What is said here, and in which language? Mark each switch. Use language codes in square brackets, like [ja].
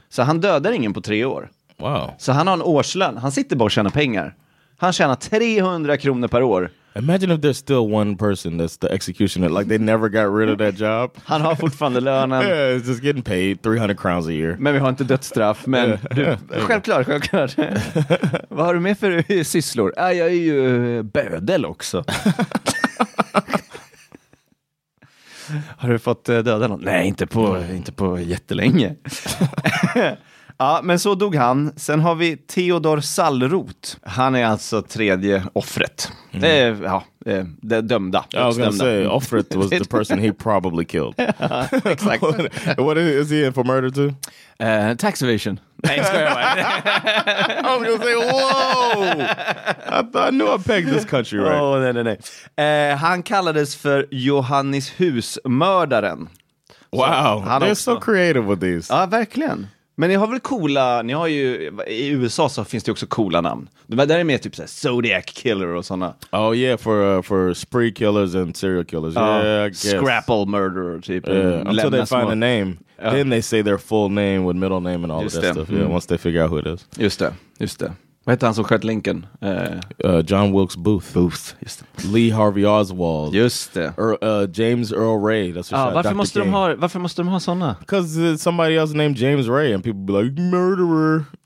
[sv] Så han dödar ingen på tre år. [en] Wow. [sv] Så han har en årslön. Han sitter bara och tjänar pengar. Han tjänar 300 kronor per år. [en] Imagine if there's still one person that's the executioner, like they never got rid of that job. [sv] Han har fortfarande lönen. [en] Yeah, he's just getting paid 300 crowns a year. [sv] Men vi har inte dödsstraff, men du, självklart. Vad har du med för sysslor? Jag är ju bödel också. Har du fått döda någon? Nej, inte på jättelänge. Ja, men så dog han. Sen har vi Theodor Sallroth. Han är alltså tredje offret. Mm. Det dömda. [en] I was gonna say, offret was the person he probably killed. [sv] Ja, exakt. [en] What is he in for murder to? Tax evasion. I was gonna say, whoa! I knew I pegged this country, right? [sv] Oh, nej. Han kallades för Johannes Husmördaren. [en] Wow, they're också, so creative with these. [sv] Ja, verkligen. Men ni har väl coola, ni har ju, i USA så finns det också coola namn. Det där är mer typ såhär Zodiac Killer och såna. [en] Oh yeah, for spree killers and serial killers. Yeah, Scrapple murderer typ. Yeah. Until they find a name. Yeah. Then they say their full name with middle name and all just of that stuff. Yeah, once they figure out who it is. [sv] Just det. Vad heter han som sköt Lincoln? [en] John Wilkes Booth. [sv] Booth, just det. [en] Lee Harvey Oswald. [sv] Just det. [en] James Earl Ray. That's what [sv] varför, måste de ha, varför måste de ha sådana? [en] Because somebody else named James Ray and people be like, murderer.